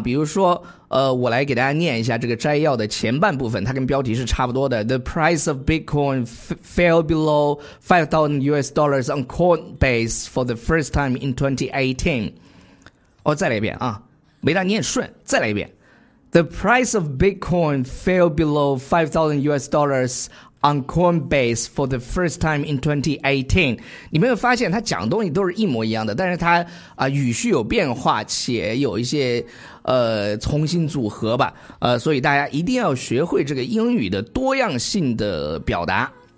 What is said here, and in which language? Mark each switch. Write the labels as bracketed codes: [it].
[zh] 比如说，我来给大家念一下这个摘要的前半部分，它跟标题是差不多的 ： [en] The price of Bitcoin fell below $5,000 on Coinbase for the first time in 2018。 [zh] 哦，再来一遍啊，没大念顺，再来一遍。 [en] The price of Bitcoin fell below $5,000 on Coinbase for the first time in 2018。 [zh] 你没有发现他讲的东西都是一模一样的，但是他语序有变化，且有一些重新组合吧。所以大家一定要学会这个英语的多样性的表达。